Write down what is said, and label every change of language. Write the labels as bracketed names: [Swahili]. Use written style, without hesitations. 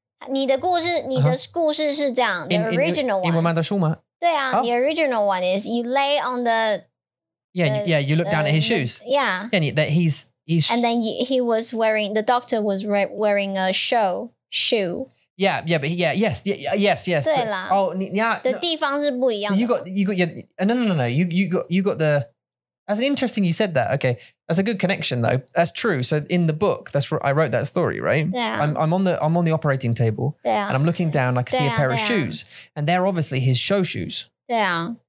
[Chinese] 你的故事是这样, [English] the original one. In [Chinese] 我们的书吗? 对啊, [English] the original one is you lay on the... You look down at his shoes. Yeah. Yeah, that he's... And then he was wearing, the doctor was wearing a shoe. Yes. [Chinese] 对啦, 的地方是不一样的。 [English] So you got, you got, yeah, no, you got the... That's interesting you said that. Okay. That's a good connection though. That's true. So in the book, that's where I wrote that story, right? Yeah. I'm on the operating table. Yeah. And I'm looking down, I can see a pair of shoes. And they're obviously his show shoes. Yeah.